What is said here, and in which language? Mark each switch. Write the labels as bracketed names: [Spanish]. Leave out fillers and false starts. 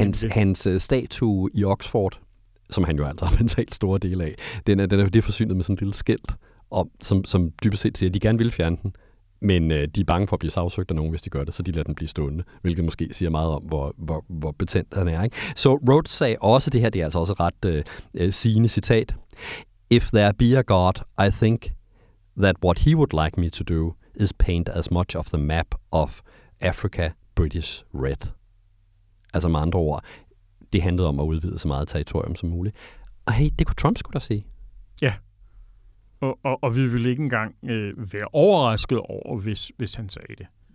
[Danish] Hans statue i Oxford, som han jo altså har mentalt store dele af, den er forsynet med sådan en lille skilt, som dybest set siger, at de gerne vil fjerne den, men de er bange for at blive sagsøgt af nogen, hvis de gør det, så de lader den blive stående, hvilket måske siger meget om, hvor betændt han er. Ikke? Så Rhodes sagde også, det her det er altså også ret sigende citat, [English] "If there be a God, I think that what he would like me to do is paint as much of the map of Africa British Red." [Danish] Altså med andre ord, det handlede om at udvide så meget territorium som muligt. Og hey, det kunne Trump sgu da sige. Ja, og vi ville ikke engang være overrasket over, hvis han sagde det.